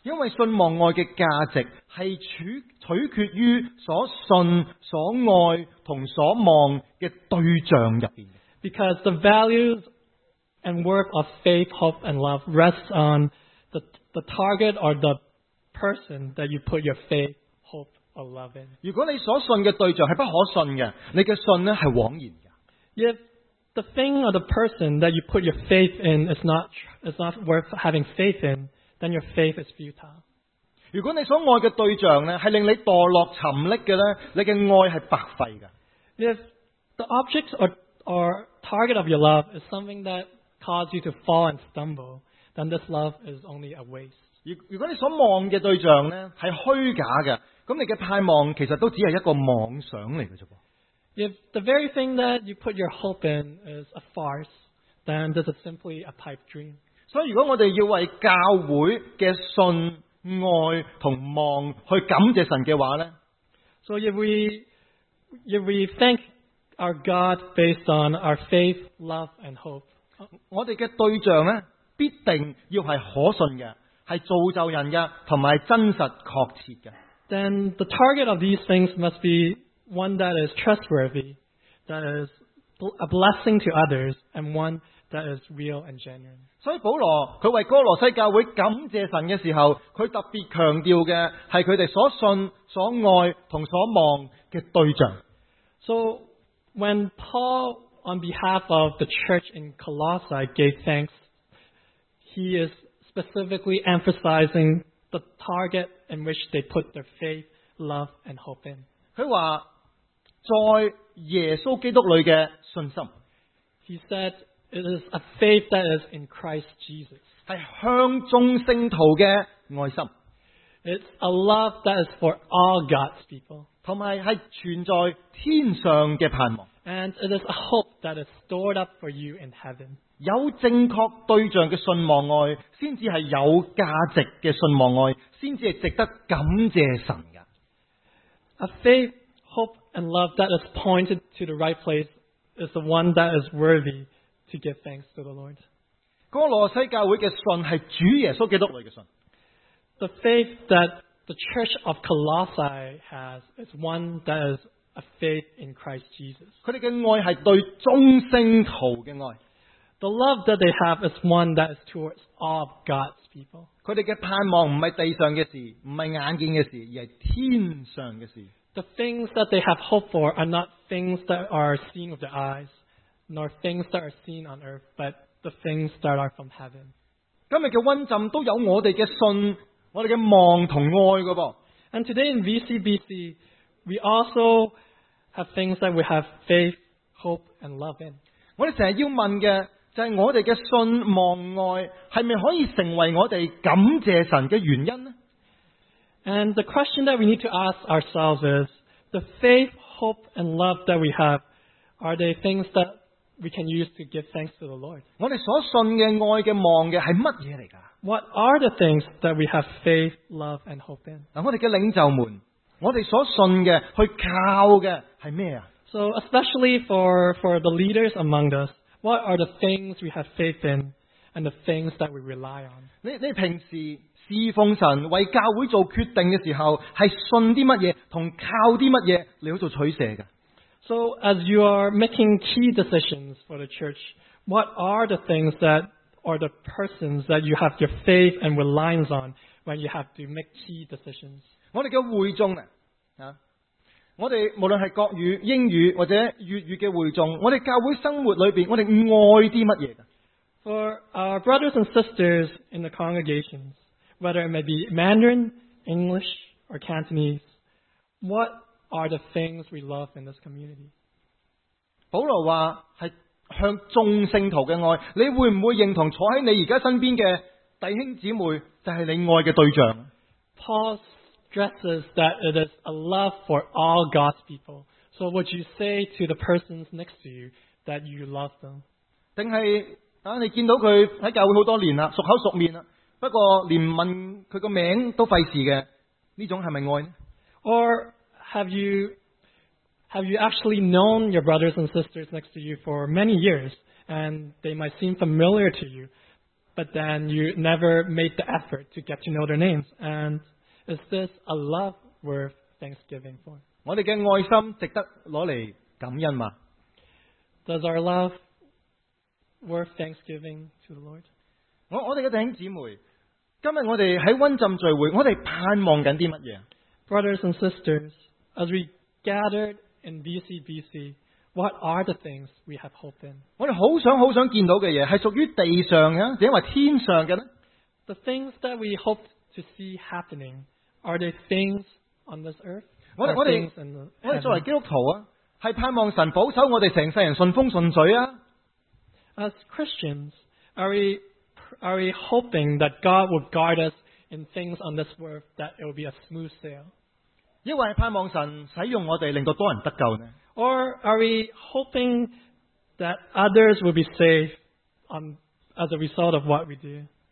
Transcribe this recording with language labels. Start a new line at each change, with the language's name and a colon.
Cantonese: 因為信望愛嘅價值係取決於所信、所愛同所望嘅對象入邊。
English: Because the values and work of faith, hope, and love rests on the target or the person that you put your faith, hope, or love in.
Cantonese: 如果你所信嘅对象系不可信嘅，你嘅信咧系枉然嘅。
English: If the thing or the person that you put your faith in is not worth having faith in, then your faith is futile.
Cantonese: 如果你所爱嘅对象咧系令你堕落沉溺嘅咧，你嘅爱系白费嘅。
English: If the object or target of your love is something that causes you to fall and stumble, then this love is only a waste.
Cantonese: 如果你所望嘅对象咧系虚假嘅，咁你嘅盼望其实都只系一个妄想嚟嘅啫。
English: If the very thing that you put your hope in is a farce, then this is simply a pipe dream.
Cantonese: 所以如果我哋要为教会嘅信、爱同望去感谢神嘅话咧
English: ，So if we thank our God based on our faith, love, and hope,
Cantonese: 我哋嘅对象咧。必定要是可信的，是造就人的，还是真实确切的。
English: Then the target of these things must be one that is trustworthy, that is a blessing to others, and one that is real and genuine.
Cantonese: 所以保罗他为哥罗西教会感谢神的时候，他特别强调的是他们所信、所爱和所望的对象。
English: So when Paul, on behalf of the church in Colossae, gave thanks,He is specifically emphasizing the target in which they put their faith, love, and hope in.
Cantonese: 他说在耶稣基督里的信心。
English: He said it is a faith that is in Christ Jesus.
Cantonese: 是向众圣徒的爱心。
English: It's a love that is for all God's people.
Cantonese: 还有是存在天上的盼望。
English: And it is a hope that is stored up for you in heaven.
Cantonese: 有正確對象的信望愛才是有價值的信望愛才是值得感謝神的。
English: A faith, hope, and love that is pointed to the right place is the one that is worthy to give thanks to the Lord.
Cantonese: 哥羅西教會的信是主耶穌基督裡的信。
English: The faith that the church of Colossae has is one that is a faith in Christ Jesus.
Cantonese: 他們的愛是對眾聖徒的愛。
English: The love that they have is one that is towards all God's people.
Cantonese: 他们的盼望不是地上的事，不是眼见的事，而是天上的事。
English: The things that they have hope for are not things that are seen with their eyes, nor things that are seen on earth, but the things that are from heaven.
Cantonese: 今天的温浸都有我们的信、我们的望和爱的。
English: And today in VCBC, we also have things that we have faith, hope, and love in.
Cantonese: 我们常要问的就是我们的信望爱是否可以成为我们感谢神的原因呢
English: ？And the question that we need to ask ourselves is: the faith, hope, and love that we have, are they things that we can use to give thanks to the Lord？
Cantonese: 我们所信的爱的望的是乜嘢嚟噶
English: ？What are the things that we have faith, love, and hope in？
Cantonese: 我们的领袖们，我们所信的去靠的是什么
English: ？So especially for the leaders among us。 What are the things we have faith in and the things that we rely on?
Cantonese: 你平时侍奉神为教会做决定的时候是信些什么和靠些什么来做取舍的。
English: So as you are making key decisions for the church, what are the things that are the persons that you have your faith and reliance on when you have to make key decisions?
Cantonese: 我们的会众呢我们无论是国语、英语或者粤语的会众，我们教会生活里面，我们爱些什么？
English: For our brothers and sisters in the congregations, whether it may be Mandarin, English, or Cantonese, what are the things we love in this community?
Cantonese: 保罗说是向众圣徒的爱, 你会不会认同坐在你现在身边的弟兄姊妹就是你爱的对象?
English: Paul stresses that it is a love for all God's people. So would you say to the persons next to you that you love them?
Cantonese: 还是你见到他在教会很多年了,熟口熟面了, 不过连问他的名字都费事的, 这种是不是爱呢?
English: Or have you actually known your brothers and sisters next to you for many years, and they might seem familiar to you, but then you never made the effort to get to know their names, and is this a love worth thanksgiving for?
Cantonese: 我们的爱心值得拿来感恩吗?
English: Does our love worth thanksgiving to the Lord?
Cantonese: 我们的弟兄姊妹, 今天我们在温浸聚会, 我们盼望着什么?
English: Brothers and sisters, as we gathered in BCBC, what are the things we have hope in?
Cantonese: 我们很想见到的东西是属于地上的,还是天上的呢?
English: The things that we hope to see happening, are they things on this earth?
Cantonese: 我们作为基督徒,是盼望神保守我们整世人顺风顺水啊?
English: As Christians, are we hoping that God would guard us in things on this earth that it will be a smooth sail?
Cantonese: 因为是盼望神使用我们令到多人得救呢?
English: Or are we hoping that others will be saved as a result of what we do?